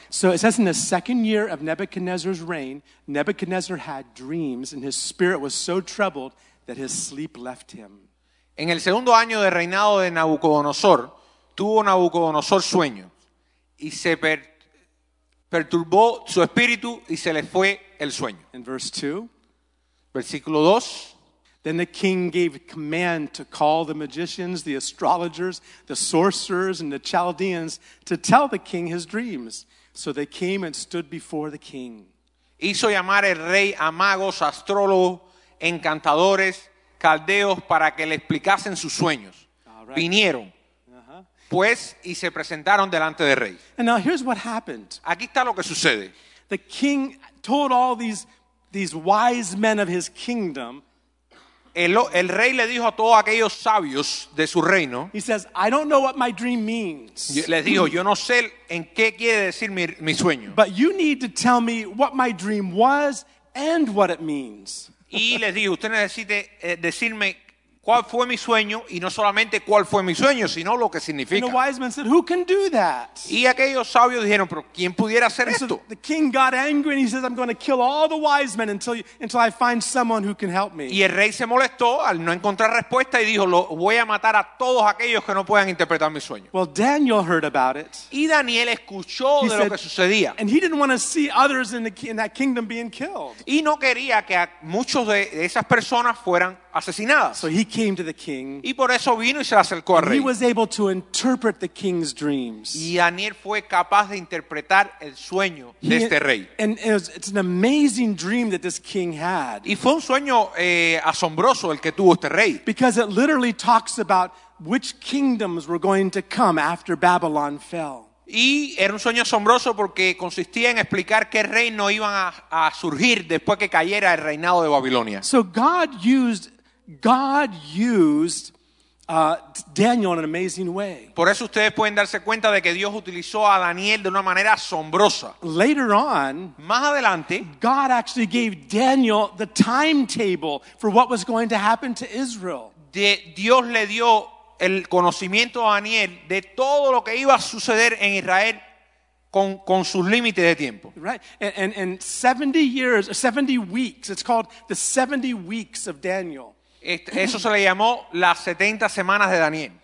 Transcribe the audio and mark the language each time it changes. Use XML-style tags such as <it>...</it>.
<en>So it says in the second year of Nebuchadnezzar's reign, Nebuchadnezzar had dreams and his spirit was so troubled that his sleep left him.</en> <es>En el segundo año de reinado de Nabucodonosor, tuvo Nabucodonosor sueño y se perturbó su espíritu y se le fue el sueño.</es> <en>In verse 2.</en> <es>Versículo 2.</es> <en>Then the king gave command to call the magicians, the astrologers, the sorcerers, and the Chaldeans to tell the king his dreams. So they came and stood before the king.</en> <es>Hizo llamar el rey a magos, astrólogos, encantadores, caldeos, para que le explicasen sus sueños.</es> <en>Right.</en> <es>Vinieron, pues, y se presentaron delante del rey.</es> <en>And now here's what happened.</en> <es>Aquí está lo que sucede.</es> <en>The king told all these wise men of his kingdom.</en> <es>El rey le dijo a todos aquellos sabios de su reino.</es> <en>He says, I don't know what my dream means.</en> <es>Les dijo, yo no sé en qué quiere decir mi sueño.</es> <en>But you need to tell me what my dream was and what it means.</en> <es>Y les dijo, usted necesita decirme cuál fue mi sueño y no solamente cuál fue mi sueño, sino lo que significa.</es> <en>And the wise man said, who can do that?</en> <es>Y aquellos sabios dijeron, pero ¿quién pudiera hacer</es> <en>and</en> <es>esto?</es> <en>So the king got angry and he says, I'm going to kill all the wise men until I find someone who can help me.</en> <es>Y el rey se molestó al no encontrar respuesta y dijo, voy a matar a todos aquellos que no puedan interpretar mi sueño.</es> <en>Well, Daniel heard about it.</en> <es>Y Daniel escuchó</es> <en>he</en> <es>de</es> <en>said,</en> <es>lo que sucedía.</es> <en>And he didn't want to see others in that kingdom being killed.</en> <es>Y no quería que muchos de esas personas fueran asesinadas.</es> <en>So he came to the king.</en> <es>Y por eso vino y se acercó al rey.</es> <en>He was able to interpret the king's dreams.</en> <es>Y Daniel fue capaz de interpretar el sueño de este rey.</es> <en>And it's an amazing dream that this king had.</en> <es>Y fue un sueño asombroso el que tuvo este rey.</es> <en>Because it literally talks about which kingdoms were going to come after Babylon fell.</en> <es>Y era un sueño asombroso porque consistía en explicar qué reino iban a surgir después que cayera el reinado de Babilonia.</es> <en>So God used Daniel in an amazing way.</en> <es>Por eso ustedes pueden darse cuenta de que Dios utilizó a Daniel de una manera asombrosa.</es> <en>Later on,</en> <es>más adelante,</es> <en>God actually gave Daniel the timetable for what was going to happen to Israel.</en> <es>Dios le dio el conocimiento a Daniel de todo lo que iba a suceder en Israel con sus límites de tiempo.</es> <en>Right. And 70 years, 70 weeks, it's called the 70 weeks of Daniel.</en> <es>Eso se le llamó las 70 semanas de Daniel.</es>